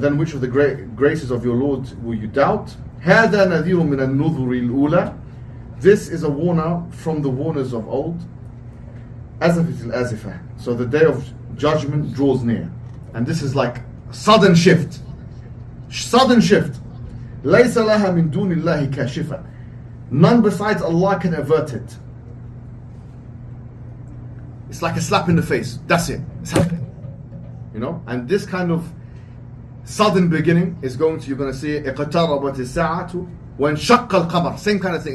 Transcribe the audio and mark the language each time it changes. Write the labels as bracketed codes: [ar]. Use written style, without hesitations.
[en] Then which of the great graces of your Lord will you doubt? [ar] هَذَا نَذِيرٌ مِنَ النُّذُرِ الْأُولَى. [en] This is a warner from the warners of old. [ar] أزفت الأزفة. [en] So the day of judgment draws near. And this is like a sudden shift. Sudden shift. [ar] ليس لها من دون الله كاشفة. [en] None besides Allah can avert it. It's like a slap in the face. That's it. It's happening. You know? And this kind of sudden beginning is going to, you're going to see it. [ar] اقتربت الساعة وانشق القمر. [en] Same kind of thing.